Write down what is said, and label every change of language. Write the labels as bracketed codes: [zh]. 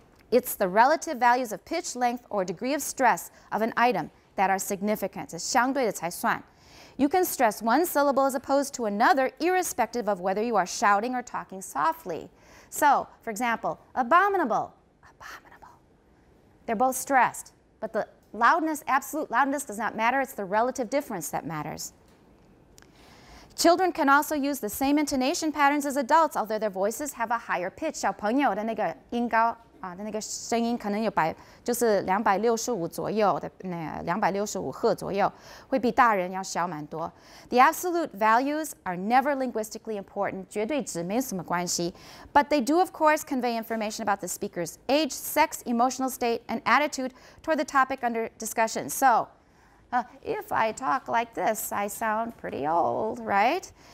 [en] It's the relative values of pitch length or degree of stress of an item that are significant [zh] 是相对的才算 [en] You can stress one syllable as opposed to another irrespective of whether you are shouting or talking softlySo, for example, abominable, abominable. They're both stressed, but the loudness, absolute loudness does not matter. It's the relative difference that matters. Children can also use the same intonation patterns as adults, although their voices have a higher pitch. [zh] 小朋友的那个音高啊，的那个声音可能有百，就是265左右的那265赫左右，会比大人要小蛮多。 [en] The absolute values are never linguistically important, [zh] 绝对值没什么关系 [en] but they do, of course, convey information about the speaker's age, sex, emotional state, and attitude toward the topic under discussion. So, if I talk like this, I sound pretty old, right?